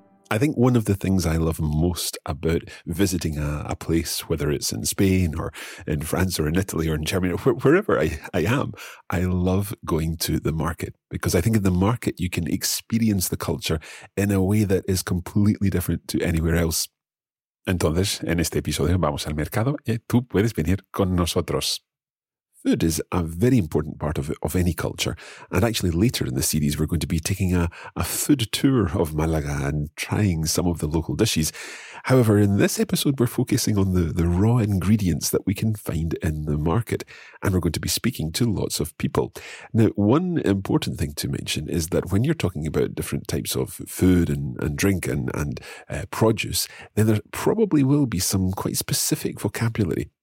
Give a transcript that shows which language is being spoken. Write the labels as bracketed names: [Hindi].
[English] I think one of the things I love most about visiting a place, whether it's in Spain or in France or in Italy or in Germany, wherever I am, I love going to the market, because I think in the market you can experience the culture in a way that is completely different to anywhere else. [Spanish] Entonces, en este episodio vamos al mercado y tú puedes venir con nosotros. [English] Food is a very important part of any culture. And actually, later in the series, we're going to be taking a food tour of Málaga and trying some of the local dishes. However, in this episode, we're focusing on the raw ingredients that we can find in the market. And we're going to be speaking to lots of people. Now, one important thing to mention is that when you're talking about different types of food and drink and produce, then there probably will be some quite specific vocabulary.